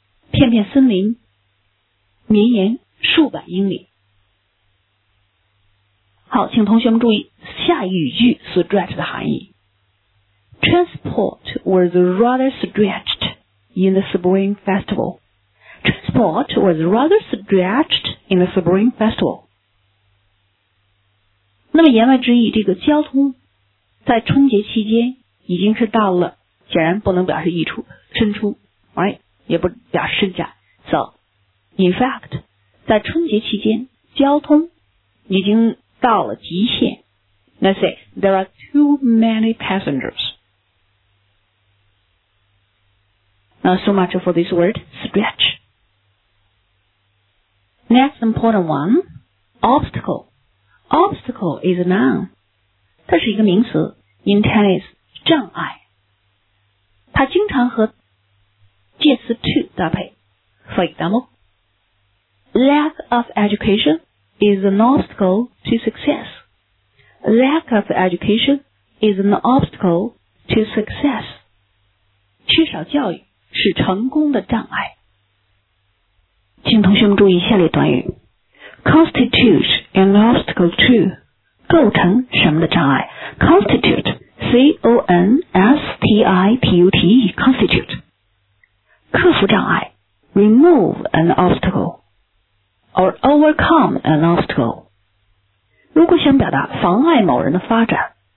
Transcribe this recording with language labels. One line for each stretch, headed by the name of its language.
Chinese: 片片森林绵延数百英里。好，请同学们注意下一语句 stretch 的含义。
English: Transport was rather stretched in the spring festival. Transport was rather stretched in the spring festival.
Chinese: 那么言外之意，这个交通在春节期间已经是到了，显然不能表示溢出、伸出 ，
English: right?
Chinese: 也不表示伸展。
English: So, in fact,
Chinese: 在春节期间，交通已经到了极限。
English: Let's say there are too many passengers. Now, so much for this word, stretch. Next important one, obstacle. Obstacle is a noun.
Chinese: 它是一个名词
English: in tennis,
Chinese: 障碍。它经常和介词 to 搭配。
English: For example, lack of education is an obstacle to success. Lack of education is an obstacle to success.
Chinese: 缺少教育是成功的障碍。请同学们注意下列短语
English: Constitute an obstacle to
Chinese: 构成什么的障碍
English: Constitute C-O-N-S-T-I-T-U-T-E Constitute
Chinese: 克服障碍
English: Remove an obstacle Or overcome an obstacle
Chinese: 如果想表达妨碍某人的发展